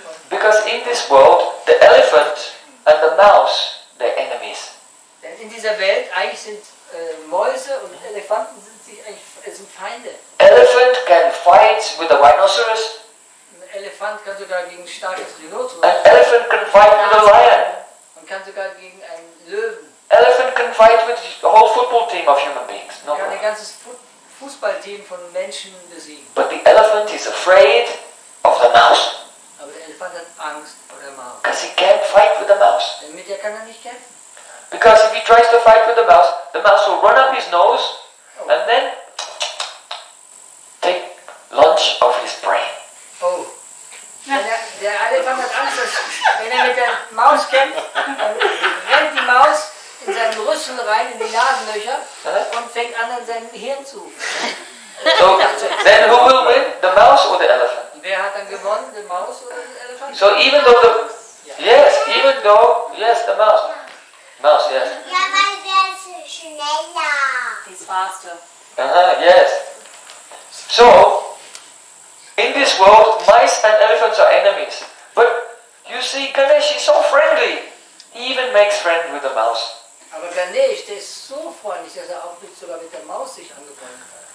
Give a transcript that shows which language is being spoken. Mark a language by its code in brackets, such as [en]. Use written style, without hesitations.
[en] Because in this world, the elephant and the mouse, they're enemies. [de] In dieser Welt, eigentlich sind Mäuse und Elefanten sind Feinde. [en] Elephant can fight with a rhinoceros. [de] Ein Elefant kann sogar gegen starkes Rhinoceros. [en] An elephant can fight with a lion. [de] Und kann sogar gegen einen Löwen. [en] Elephant can fight with a whole football team of human beings. [de] No kann ein ganzes Fußballteam von Menschen besiegen. [en] But the elephant is afraid of the mouse. [de] Aber der Elefant hat Angst vor der Maus. [en] Because he can't fight with the mouse. [de] Denn mit der kann er nicht kämpfen. [en] Because if he tries to fight with the mouse will run up his nose and then take lunch of his brain. [de] Der Elefant hat Angst, dass wenn mit der Maus kämpft, dann rennt die Maus in seinen Rüssel rein, in die Nasenlöcher und fängt an sein Hirn zu. [en] So, then who will win? The mouse or the elephant? [de] Wer hat dann gewonnen, [en] the mouse or the elephant? So even though the mouse. Mouse, yes. [de] Ja, weil der ist schneller. [en] He's faster. Yes. So, in this world, mice and elephants are enemies. But you see, Ganesh is so friendly. He even makes friends with the mouse. [de] Aber Ganesh, der ist so freundlich, dass auch nicht sogar mit der Maus sich angefreundet hat.